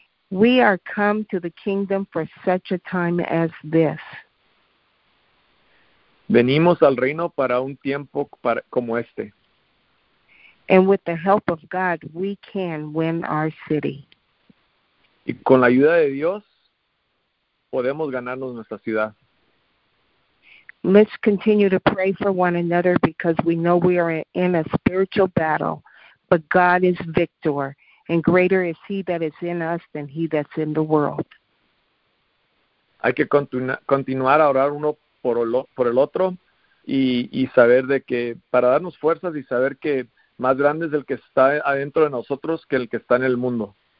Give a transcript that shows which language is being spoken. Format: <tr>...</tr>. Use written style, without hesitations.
<en>We are come to the kingdom for such a time as this.</en> <es>Venimos al reino para un tiempo como este.</es> <en>And with the help of God, we can win our city.</en> <es>Y con la ayuda de Dios podemos ganarnos nuestra ciudad.</es> <en>Let's continue to pray for one another because we know we are in a spiritual battle, but God is victor. And greater is he that is in us than he that's in the world.</en> <es>Hay que continuar a orar uno por el otro y saber de que para darnos fuerzas y saber que más grande es el que está adentro de nosotros que el que está en el mundo.</es>